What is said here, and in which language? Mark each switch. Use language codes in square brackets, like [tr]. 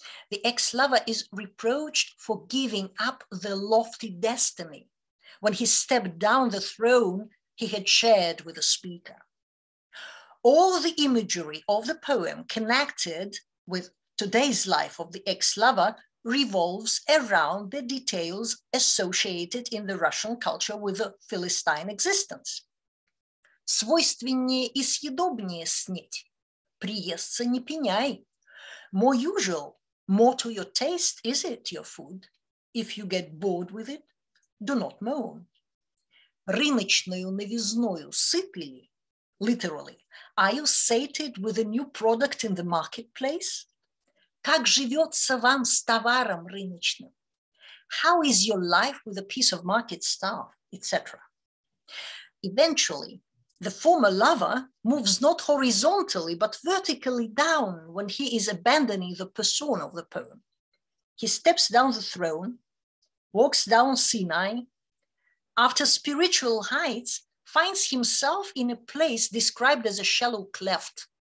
[en] The ex-lover is reproached for giving up the lofty destiny when he stepped down the throne he had shared with the speaker. All the imagery of the poem connected with today's life of the ex-lover revolves around the details associated in the Russian culture with the Philistine existence. [ru] Свойственнее и съедобнее снеть, приесться не пеняй. [en] More usual, more to your taste, is it your food? If you get bored with it, do not moan. [ru] Рыночную новизною сытый, [en] literally, are you sated with a new product in the marketplace? [ru] Как живется вам с товаром рыночным? [en] How is your life with a piece of market stuff, etc. Eventually, the former lover moves not horizontally, but vertically down when he is abandoning the persona of the poem. He steps down the throne, walks down Sinai, after spiritual heights, finds himself in a place described as a shallow cleft.